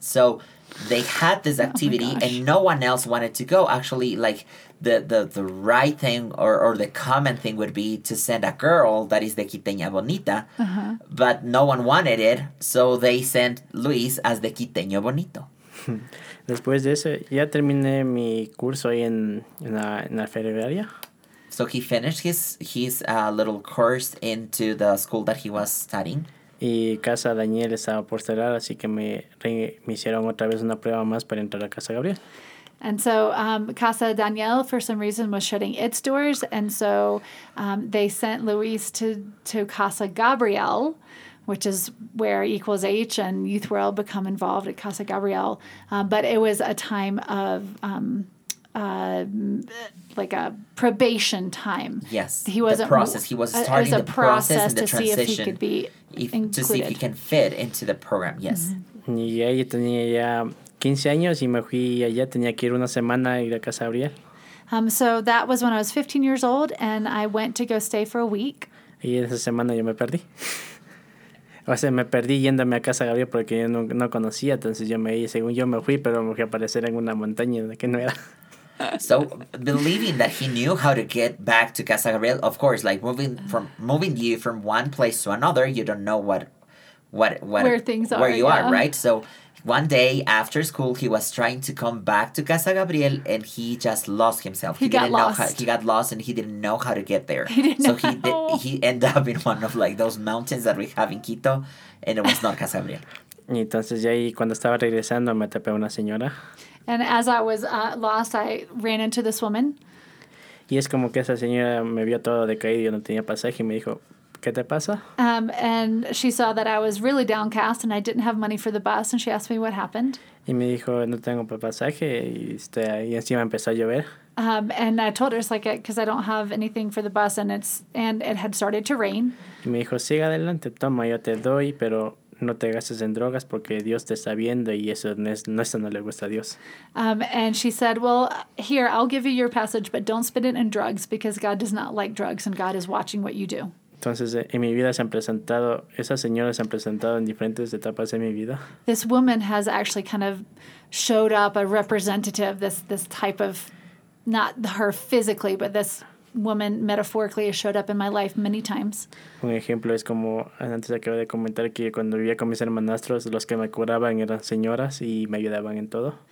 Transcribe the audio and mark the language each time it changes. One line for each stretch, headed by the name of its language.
English: So they had this activity and no one else wanted to go. Actually, like the right thing or the common thing would be to send a girl that is the
Spanish: quiteña bonita,
English: but no one wanted it. So they sent Luis as the
Spanish: quiteño bonito. Después de eso, ya terminé mi curso ahí en la ferroviaria.
English: So he finished his little course into the school that he was studying.
Spanish: Y Casa Daniel estaba por cerrar, así que me hicieron otra vez una prueba más para entrar a Casa Gabriel.
English: And so Casa Daniel, for some reason, was shutting its doors. And so they sent Luis to Casa Gabriel, which is where Equals H and Youth World become involved at Casa Gabriel. But it was a time of like a probation time. Yes, he wasn't, the process. He was starting was a the process and the to transition. See if he could be if, included. To see if he can fit into the program, yes. Mm-hmm.
Spanish: Yeah, yo tenía ya 15 años y me fui allá. Tenía que ir una semana a ir a Casa Gabriel.
English: So that was when I was 15 years old, and I went to go stay for a week.
Spanish: Y esa semana yo me perdí. O sea, me perdí yéndome a Casa Gabriel porque yo no conocía. Entonces yo me iba, según yo me fui, pero me fui a aparecer en una montaña que no era.
English: So, believing that he knew how to get back to Casa Gabriel, of course, like moving you from one place to another, you don't know where things are, right? So, one day after school, he was trying to come back to Casa Gabriel, and he just lost himself. He got lost, and he didn't know how to get there. He ended up in one of like those mountains that we have in Quito, and it was not Casa Gabriel.
Spanish: Y entonces ya ahí cuando estaba regresando me topé una señora.
English: And as I was lost, I ran into this woman.
Spanish: Y es como que esa señora me vio todo decaído, yo no tenía pasaje, y me dijo, ¿qué te pasa?
English: And she saw that I was really downcast and I didn't have money for the bus, and she asked me what happened.
Spanish: Y me dijo, no tengo pasaje, y encima empezó a llover.
English: And I told her, it's like, because I don't have anything for the bus, and it had started to rain.
Spanish: Y me dijo, siga adelante, toma, yo te doy, pero no te gastes en drogas porque Dios te está viendo y eso no le gusta a Dios.
English: And she said, well, here, I'll give you your passage, but don't spend it in drugs because God does not like drugs and God is watching what you do.
Spanish: Entonces, en mi vida se han presentado, esas señoras se han presentado en diferentes etapas de mi vida.
English: This woman has actually kind of showed up, a representative, this type of, not her physically, but this woman metaphorically has showed up in my life many times.
Spanish: Un ejemplo es como antes acabo de comentar que cuando vivía con mis hermanastros, los que me curaban eran señoras y me ayudaban en todo.